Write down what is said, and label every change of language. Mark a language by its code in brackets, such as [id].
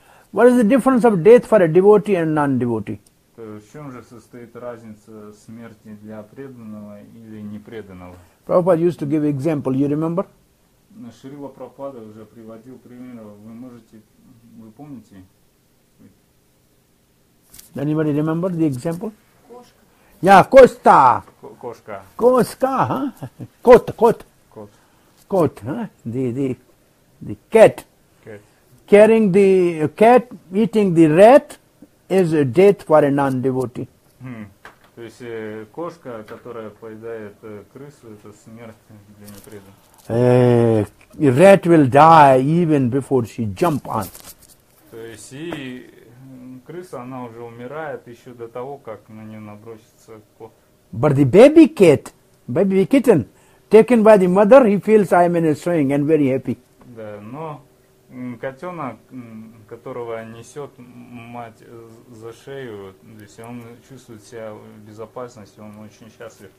[en] What is the difference of death for a devotee and non-devotee? [ru] То есть в чем же состоит разница смерти для преданного или непреданного? [en] Prabhupada used to give example, you remember? [ru] Шрила Прабхупада уже приводил пример. Вы можете, вы помните? [en] Anybody remember the example? [ru] Кошка. [en] Yeah, [ru] Коста. Кошка. Коска, huh? Кот, кот. Кот. [en] Кот, huh? The cat. Cat. Carrying the cat, eating the rat, is a death for a non-devotee. [ru] То есть кошка, которая поедает крысу, это смерть для непреданного. [en] Rat will die even before she jump on. [ru] То есть и крыса, она уже умирает еще до того, как на нее набросится кот. [en] But the baby cat, baby kitten, taken by the mother, he feels I am in a swing and very happy. [ru] Да, но котенок, которого несет мать за шею, то есть он чувствует себя в безопасности, он очень счастлив.